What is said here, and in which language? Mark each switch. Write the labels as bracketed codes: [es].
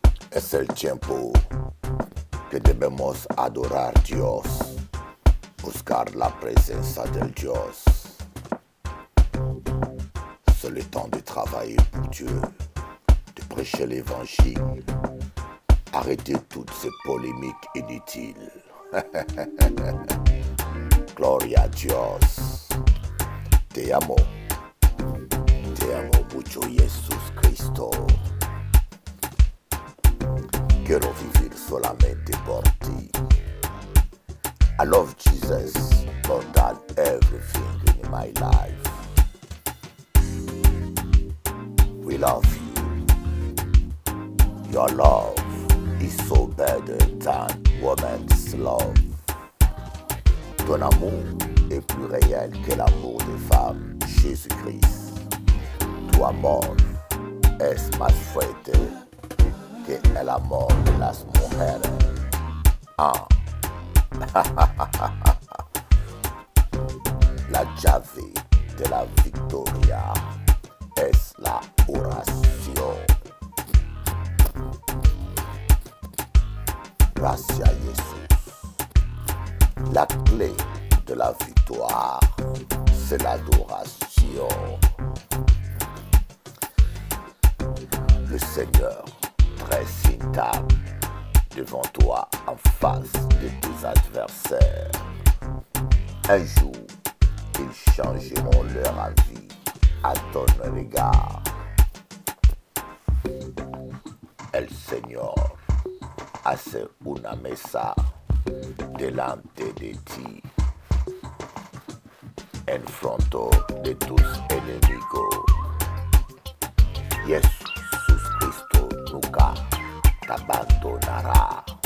[es] es el tiempo que debemos adorar Dios, buscar la presencia del Dios. [fr] C'est le temps de travailler pour Dieu, de prêcher l'évangile, arrêter toutes ces polémiques inutiles. [es] Gloria a Dios. Te amo. Te amo mucho, Jesús Cristo. Quiero vivir solamente por ti. [en] I love Jesus more than everything in my life. We love you. Your love is so better than woman's love. [fr] Ton amour est plus réel que l'amour des femmes, Jésus-Christ. [es] Tu amor es más fuerte que el amor de las mujeres. Ah. La llave de la victoria es la oración. Gracias, Jesús. [fr] La clé de la victoire, c'est l'adoration. Le Seigneur dresse une table devant toi en face de tes adversaires. Un jour, ils changeront leur avis à ton regard. [es] El Señor hace una mesa delante de ti, en fronto de tus enemigos. Jesús Cristo nunca te abandonará.